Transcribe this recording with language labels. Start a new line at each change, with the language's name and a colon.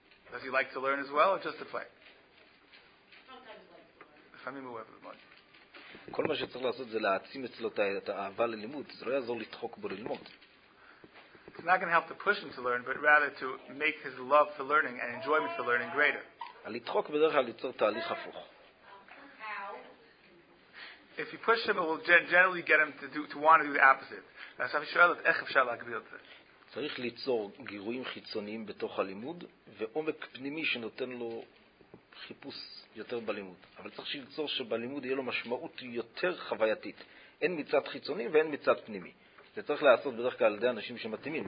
English: Does he like to learn as well or just to play?
Hebrew: כל מה שצריך לעשות זה להעצים אצלו את האהבה ללימוד. זה לא יעזור לדחוק בו ללמוד.
English: It's not going to help to push him to learn, but rather to make his love for learning and enjoyment for learning greater.
Hebrew: לדחוק בדרך כלל ליצור תהליך הפוך.
English: If you push him, it will generally get him to want to do the opposite.
Hebrew: ועכשיו שואל את איך אפשר להגביל את זה. צריך ליצור גירויים חיצוניים בתוך הלימוד, ועומק פנימי שנותן לו חיפוש יותר בלימוד. אבל צריך שיצור שבלימוד יהיה לו משמעות יותר חווייתית. אין מצד חיצוני ואין מצד פנימי. זה צריך לעשות בדרך כלל על ידי אנשים שמתאימים.